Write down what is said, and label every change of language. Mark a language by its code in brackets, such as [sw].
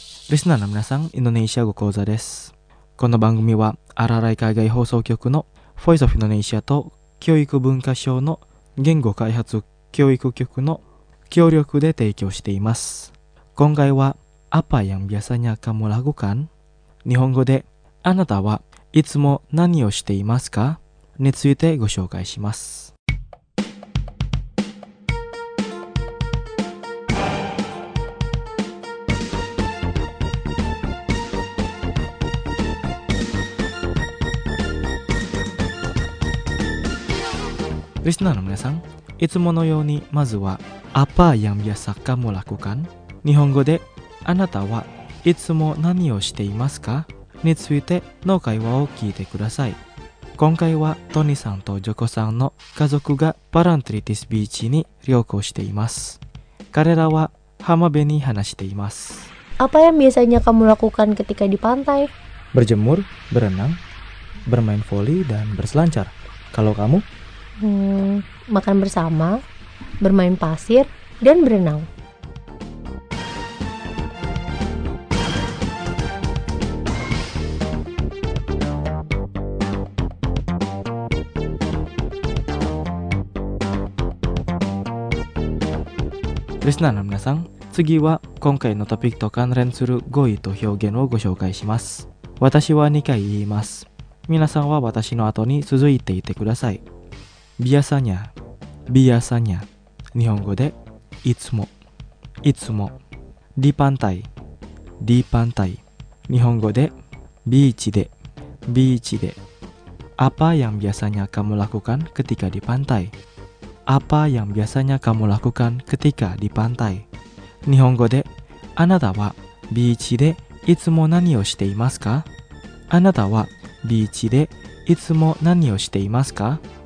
[ja] リスナーの皆さん、インドネシア語講座です。この番組はアラライ海外放送局のボイスオブインドネシアと教育文化省の言語開発教育局の協力で提供しています。今回は [id] Apa yang biasanya kamu lakukan? [ja] 日本語で、あなたはいつも何をしていますか? についてご紹介します。リスナーの皆さん、いつものようにまずは [id] Apa yang biasa kamu lakukan? [ja] 日本語であなたはいつも何をしていますかについての会話を聞いてください。今回はトニーさんとジョコさんの家族がパランティリティスビーチに旅行しています。彼らは浜辺に話しています。 [id] Apa yang biasanya kamu lakukan ketika di pantai? Berjemur, berenang, bermain voli dan berselancar. Kalau kamu? Makan bersama, bermain pasir dan berenang. [ja] リスナーの皆さん、次は今回のトピックと関連する語彙と表現をご紹介します。私は2回言います。皆さんは私の後に続いていてください。ビアサニャ、ビアサニャ、日本語でいつも、いつも。ディパンタイ、ディパンタイ、日本語でビーチで、ビーチで。 [id] アパヤンビアサニャカムラクカンクティカディパンタイ。 Apa yang biasanya kamu lakukan ketika di pantai? [ja] 日本語で、あなたはビーチでいつも何をしていますか? あなたはビーチでいつも何をしていますか?